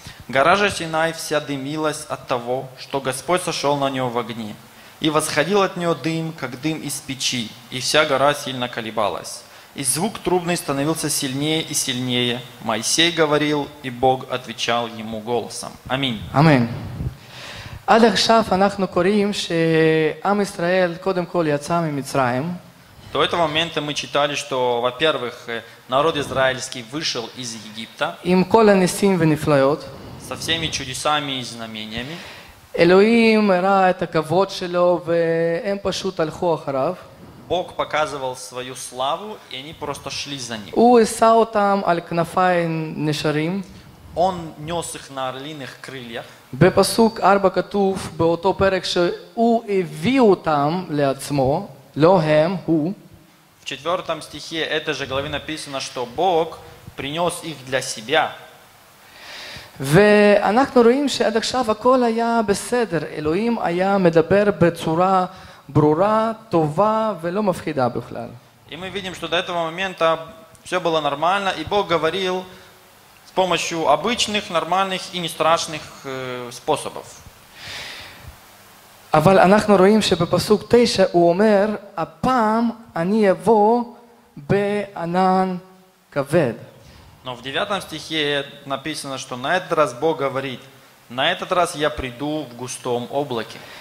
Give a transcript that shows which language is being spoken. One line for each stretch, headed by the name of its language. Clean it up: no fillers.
Russian: Гора же Синай вся дымилась от того, что Господь сошел на нее в огне. И восходил от нее дым, как дым из печи, и вся гора сильно колебалась. И звук трубный становился сильнее и сильнее. Моисей говорил, и Бог отвечал ему голосом. Аминь. Аминь.
Hebrew: עד עכשיו אנחנו קוראים שעם ישראל קודם כל יצא ממצרים.
Russian: До этого момента мы читали, что, во-первых, народ израильский вышел из Египта.
Hebrew: עם כל הניסים ונפלאות.
Russian: Со всеми чудесами и знамениями.
Hebrew: Элоим ראה את הכבוד שלו והם פשוט הלכו אחריו.
Russian: Бог показывал свою славу, и они просто шли за ним.
Hebrew: הוא עשה אותם על כנפי נשרים.
Russian: Он нес их на орлиных крыльях.
Hebrew: בפסוק 4 כתוב באותו פרק שהוא הביא אותם לעצמו, לא הם, הוא.
Russian: В 4 стихе этой же главы написано, что Бог принес их для себя.
Hebrew: ואנחנו רואים שעד עכשיו הכל היה בסדר. אלוהים היה מדבר בצורה ברורה, טובה ולא מפחידה בכלל.
Russian: אם мы видим, что до этого момента все было нормально, и Бог говорил с помощью обычных, нормальных и не страшных способов.
Hebrew: אבל אנחנו רואים שבפסוק 9 הוא אומר, הפעם אני אבוא בענן כבד.
Russian: Но в 9 стихе написано, что на этот раз Бог говорит, на этот раз я приду в густом облаке.